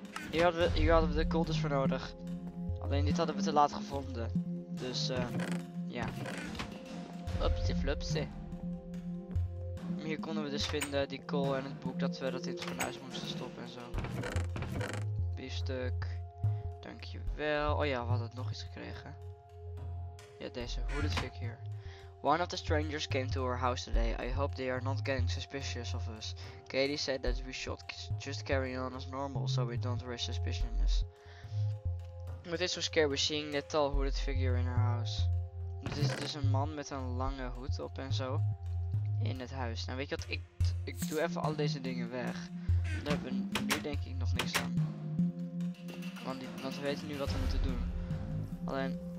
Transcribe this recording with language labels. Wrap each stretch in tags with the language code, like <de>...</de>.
<nl>Hier hadden we de coolness voor nodig. Alleen dit hadden we te laat gevonden. Dus, ja. Yeah. Upsie flupsie. Hier konden we dus vinden die kool en het boek dat we dat in het fornuis moesten stoppen en zo. Biefstuk. Dankjewel. Oh ja, we hadden nog iets gekregen. Ja, deze.</nl> <en>Who the fuck here? One of the strangers came to our house today. I hope they are not getting suspicious of us. Katie said that we should just carry on as normal, so we don't raise suspicionness. But it's so scary seeing that tall hooded figure in our house.</en> <nl>Dit is dus een man met een lange hoed op en zo. In het huis. Nou weet je wat, ik doe even al deze dingen weg. Daar hebben we nu denk ik nog niks aan. Want we weten nu wat we moeten doen. Alleen.</nl>